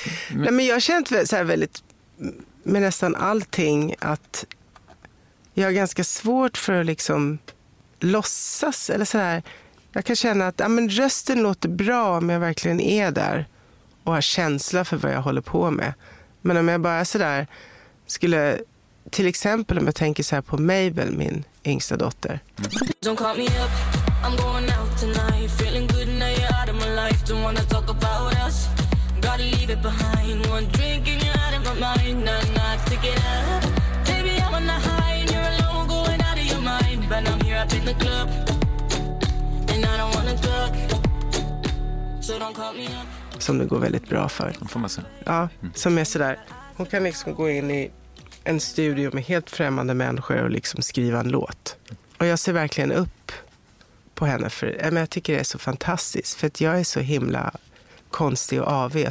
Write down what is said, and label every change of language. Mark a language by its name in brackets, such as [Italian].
[Swedish] Men jag har känt så här väldigt med nästan allting, att jag har ganska svårt för att liksom låtsas eller så här. Jag kan känna att rösten låter bra om jag verkligen är där och har känsla för vad jag håller på med. Men om jag bara så där skulle, till exempel om jag tänker så här på Mabel, min yngsta dotter. [English] Don't call me up. I'm going out tonight, feeling good now you're out of my life. Don't wanna talk about us, gotta leave it behind. One drink and you're out of my mind. Nah, nah, take it up. Baby, I'm on the high and you're alone, going out of your mind. But I'm here up in the club and I don't wanna talk, so don't call me up. [Swedish] Som det går väldigt bra för. Får man se. Ja, som är sådär. Hon kan liksom gå in i en studio med helt främmande människor och liksom skriva en låt. Och jag ser verkligen upp på henne, för jag tycker det är så fantastiskt, för att jag är så himla konstig och avig.